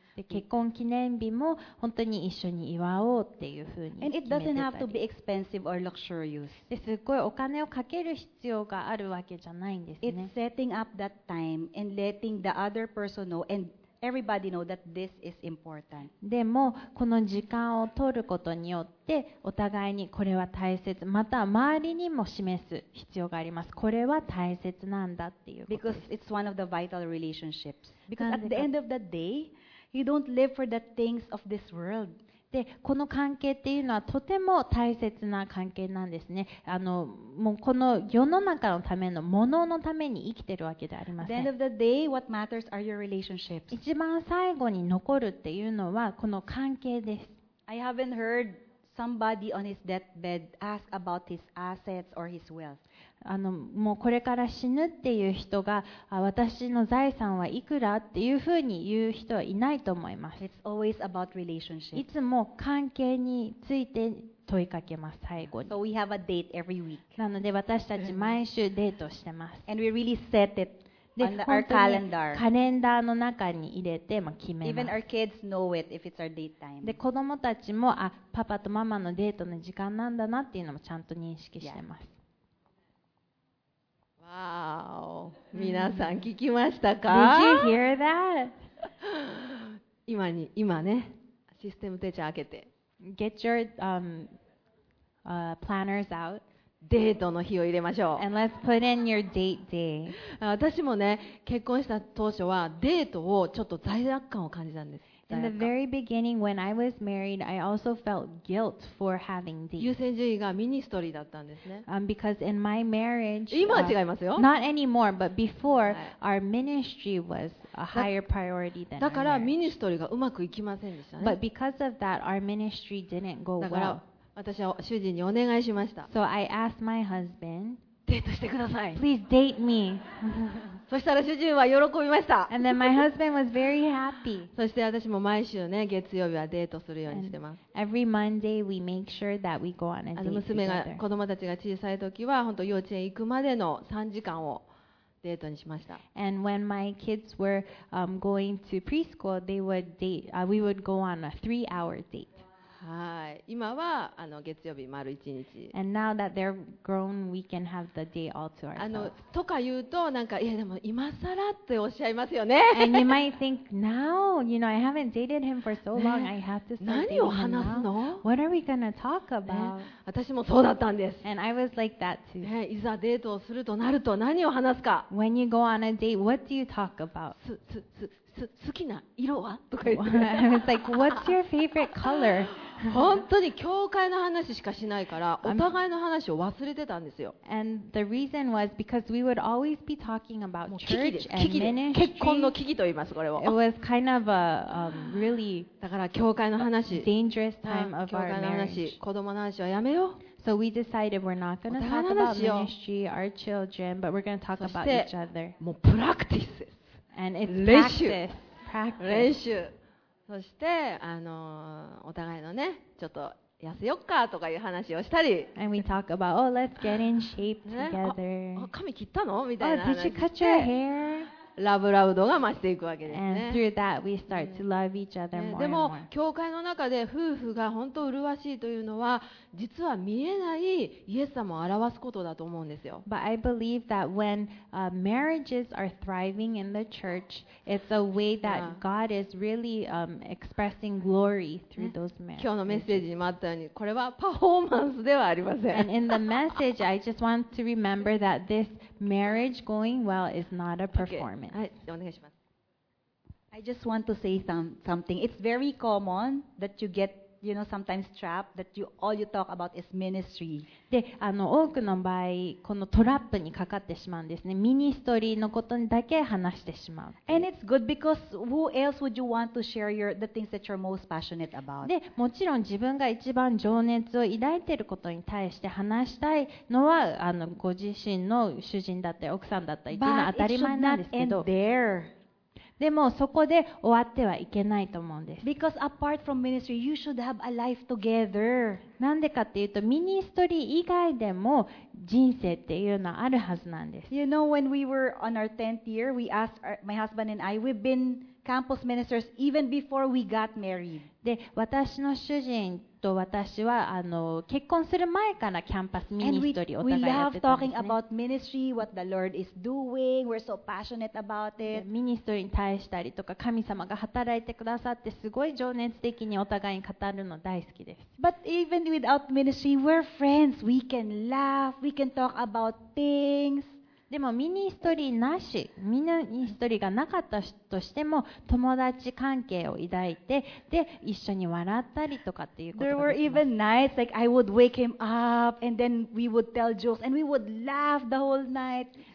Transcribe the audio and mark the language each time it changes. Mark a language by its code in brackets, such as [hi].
[ja] で結婚記念日も本当に一緒に祝おうっていう風に決めてたり。 [en] And it doesn't have to be expensive or luxurious. [ja] ですごいお金をかける必要があるわけじゃないんですね。 [en] It's setting up that time and letting the other person know and everybody know that this is important. [ja] でもこの時間を取ることによってお互いにこれは大切、また周りにも示す必要があります。これは大切なんだっていうことです。 [en] Because it's one of the vital relationships. Because at the end of the dayYou don't live for the things of this world. [ja] で、この関係っていうのはとても大切な関係なんですね。もうこの世の中のための、もののために生きてるわけではありません。 [en] At the end of the day, what matters are your relationships. [ja] 一番最後に残るっていうのはこの関係です。 [en] I haven't heard somebody on his deathbed ask about his assets or his wealth. [ja] もうこれから死ぬっていう人が私の財産はいくらっていうふうに言う人はいないと思います。 [en] It's always about relationships. [ja] いつも関係について問いかけます最後に。 [en] So we have a date every week. [ja] なので私たち毎週デートしてます。 [en] And we really set it on our calendar. [ja] カレンダーの中に入れて、まあ、決めます。 [en] Even our kids know it if it's our date time. [ja] で子供たちもパパとママのデートの時間なんだなっていうのもちゃんと認識してます。 [en] Yeah. [ja] Wow. 皆さん聞きましたか？ [en] Did you hear that? [ja] 今ね、システム手帳開けて。 [en] Get your planners out. [ja] デートの日を入れましょう。 [en] And let's put in your date day. [ja] 私もね、結婚した当初はデートをちょっと罪悪感を感じたんです。 [en] In the very beginning, when I was married, I also felt guilt for having dates. [ja] 優先順位がミニストリーだったんですね。 [en] Because in my marriage, [ja] 今は違いますよ。 [en] Not anymore, but before, our ministry was a higher priority than [ja] that. だからミニストリーがうまくいきませんでしたね。 [en] But because of that, our ministry didn't go well. [ja] だから私は主人にお願いしました。 [en] So I asked my husband, [ja] デートしてください。 [en] Please date me. [ja] そしたら主人は喜びました。 [en] And then my husband was very happy. [ja] そして私も毎週ね、月曜日はデートするようにしてます。 [en] Every Monday we make sure that we go on a date. [ja] 娘が子供たちが小さい時は本当幼稚園行くまでの3時間をデートにしました。 [en] And when my kids were going to preschool, they would date. We would go on a 3-hour date. [ja] はい。今は月曜日丸一日。 [en] And now that they're grown, we can have the day all to ourselves. [ja] とか言うとなんかいやでも今更っておっしゃいますよね。 [en] And you might think now, you know, I haven't dated him for so long. I have to start dating him now. [ja] 何を話すの？ [en] What are we gonna talk about? [ja] 私もそうだったんです。 [en] And I was like that too. [ja] いざデートをするとなると何を話すか。 [en] When you go on a date, what do you talk about? [ja] 好きな色はとか言って。 [en] I was like, what's your favorite color? [ja] 本当に教会の話しかしないからお互いの話を忘れてたんですよ。 [en] And the reason was because we would always be talking about church and ministry. [ja] 結婚の危機と言います、これを。 [en] It was kind of a really dangerous time of our marriage. [ja] 子供の話はやめよう。 [en] So we decided we're not going to talk about ministry, our children, but we're going to talk about each other. [ja] もうプラクティスです。 [en] And it's practice. [ja] 練習。そしてお互いのね、ちょっと痩せよっかとかいう話をしたり。 [en] And we talk about, oh, let's get in shape together. [ja] 髪切ったの？みたいな話して。 [en] Oh, did you cut your hair? [ja] ラブラブ度が増していくわけですね。 [en] And through that, we start to love each other more. [ja] でも、教会の中で夫婦が本当麗しいというのは、実は見えないイエス様を表すことだと思うんですよ。 [en] But I believe that when marriages are thriving in the church, it's a way that God is really expressing glory through those marriages. [ja] 今日のメッセージにもあったように、これはパフォーマンスではありません。 [en] And in the message, I just want to remember that this marriage going well is not a performance. [ja] はい、お願いします。 [en] I just want to say something. It's very common that you get you know, sometimes trap that you, all you talk about is ministry. [ja] で、多くの場合、このトラップにかかってしまうんですね。ミニストリーのことにだけ話してしまう。 [en] And it's good because who else would you want to share your, the things that you're most passionate about? [ja] で、もちろん自分が一番情熱を抱いていることに対して話したいのは、ご自身の主人だったり奥さんだったりというのは当たり前なんですけど。 [en] But it should not end there. [ja] でもそこで終わってはいけないと思うんです。 [en] Because apart from ministry, you should have a life together. [ja] なんでかっていうと、ミニストリー以外でも人生っていうのはあるはずなんです。 [en] You know, when we were on our 10th year, we asked our, my husband and I, we've been campus ministers even before we got married. [ja] で、私の主人と私は結婚する前からキャンパスミニストリーをお互いやってたんですね。 [en] And we love talking about ministry, what the Lord is doing. We're so passionate about it. [ja] ミニストリーに対したりとか神様が働いてくださってすごい情熱的にお互いに語るの大好きです。 [en] But even without ministry, we're friends. We can laugh. We can talk about things. [ja] でもミニストリーなし、ミニストリーがなかったとしても友達関係を抱いて、で一緒に笑ったりとかっていうことができます。 [en] There were even nights like I would wake him up and then we would tell jokes and we would laugh the whole night.